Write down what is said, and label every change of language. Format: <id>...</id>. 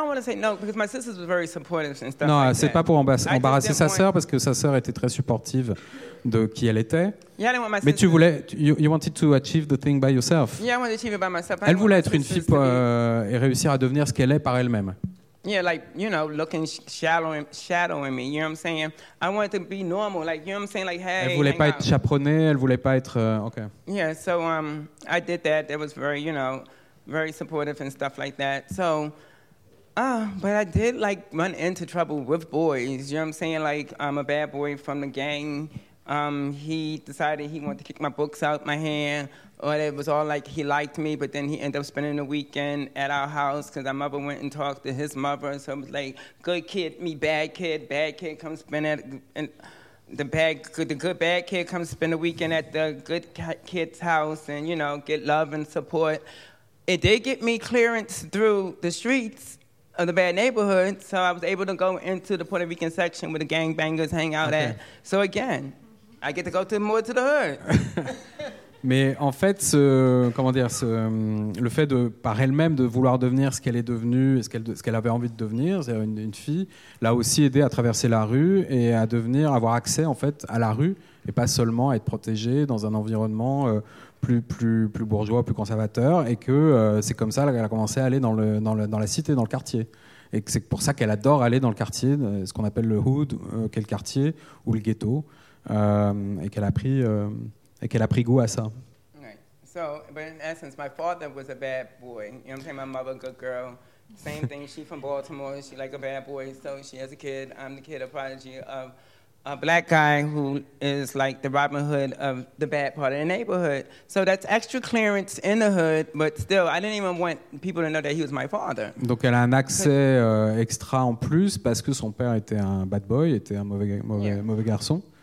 <fr>c'est pas pour embarrasser sa sœur, parce que sa sœur était très supportive de qui elle était. Mais tu voulais,</fr> <en>you wanted to achieve the thing by yourself. Yeah, I wanted to achieve it by myself.</en> <fr>Elle voulait être une fille et réussir à devenir ce qu'elle est par elle-même.</fr> <en>Yeah, like, you know, looking shadowing me, you know what I'm saying? I wanted to be normal, like, you know what I'm saying? Like, hey,</en> <fr>elle voulait pas être chaperonnée, elle voulait pas être, okay.</fr> <en>Yeah, so I did that. It was very, you know, very supportive and stuff like that. So, but I did, like, run into trouble with boys, you know what I'm saying? Like, I'm a bad boy from the gang. He decided he wanted to kick my books out my hand. But it was all like he liked me, but then he ended up spending the weekend at our house because our mother went and talked to his mother. So it was like, good kid, me bad kid, come spend at the good bad kid, come spend the weekend at the good kid's house and, you know, get love and support. It did get me clearance through the streets of the bad neighborhood, so I was able to go into the Puerto Rican section where the gangbangers hang out at. So again, I get to go more to the hood.</en> <fr>Mais en fait, le fait de par elle-même de vouloir devenir ce qu'elle est devenue, ce qu'elle avait envie de devenir, c'est-à-dire une fille, l'a aussi aidé à traverser la rue et à devenir, avoir accès en fait à la rue et pas seulement à être protégée dans un environnement plus bourgeois, plus conservateur, et que c'est comme ça qu'elle a commencé à aller dans la cité, dans le quartier, et que c'est pour ça qu'elle adore aller dans le quartier, ce qu'on appelle le hood, quel quartier ou le ghetto, et qu'elle a pris. Et qu'elle a pris goût à ça.</fr> <en>Right. So, but in essence, my father was a bad boy. You know what I'm saying? My mother, good girl. Same thing. She's from Baltimore. She like a bad boy. So she has a kid. I'm the kid, a prodigy of a black guy who is like the Robin Hood of the bad part of the neighborhood. So that's extra clearance in the hood. But still, I didn't even want people to know that he was my father.</en> <fr>Donc elle a un accès extra en plus parce que son père était un bad boy, était un mauvais garçon.</fr>